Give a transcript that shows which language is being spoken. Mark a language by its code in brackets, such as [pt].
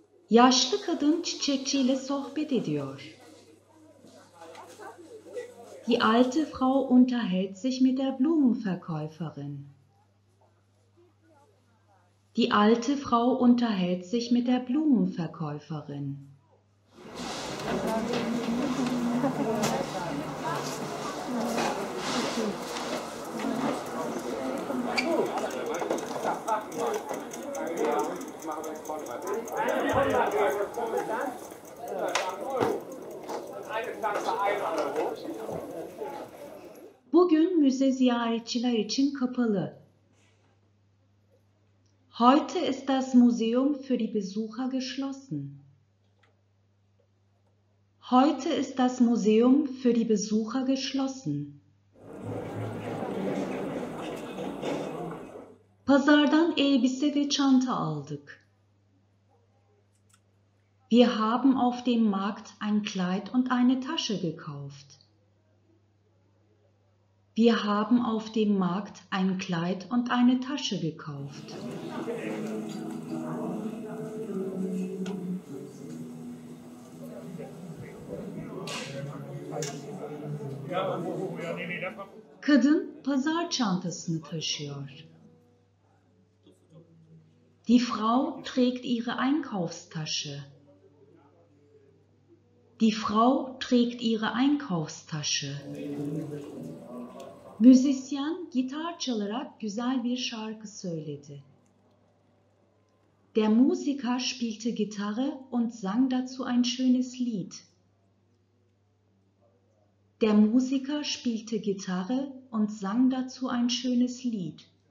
[tr] Yaşlı kadın çiçekçiyle sohbet ediyor. [de] Die alte Frau unterhält sich mit der Blumenverkäuferin. Die alte Frau unterhält sich mit der Blumenverkäuferin. Ja, [tr] müze ziyaretçiler için kapalı. [de] Heute ist das Museum für die Besucher geschlossen. Heute ist das Museum für die Besucher geschlossen. [tr] Pazardan Elbise ve Çanta aldık. [de] Wir haben auf dem Markt ein Kleid und eine Tasche gekauft. Wir haben auf dem Markt ein Kleid und eine Tasche gekauft. [tr] Kadın pazar çantasını taşıyor. [de] Die Frau trägt ihre Einkaufstasche. Die Frau trägt ihre Einkaufstasche. [tr] Müzisyen gitar çalarak güzel bir şarkı söyledi. [de] Der Musiker spielte Gitarre und sang dazu ein schönes Lied. Der Musiker spielte Gitarre und sang dazu ein schönes Lied.